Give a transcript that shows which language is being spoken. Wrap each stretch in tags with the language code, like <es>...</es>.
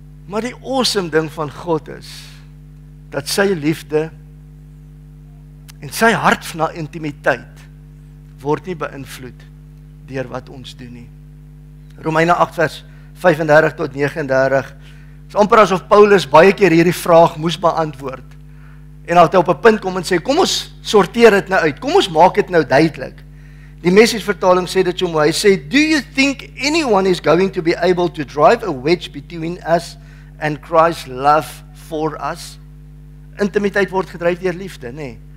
<af>Maar die awesome ding van God is dat sy liefde en sy hart na intimiteit word nie beïnvloed deur wat ons doen nie. Romeine 8 vers 35 tot 39 is amper asof Paulus baie keer hierdie vraag moes beantwoord. En hy het op 'n punt kom en sê, kom ons sorteer dit nou uit, kom ons maak dit nou duidelik. Die Message vertaling sê dit so mooi, hy sê,</af> <en>do you think anyone is going to be able to drive a wedge between us and Christ's love for us?</en> <af>Intimiteit word gedryf deur liefde, nee.</af>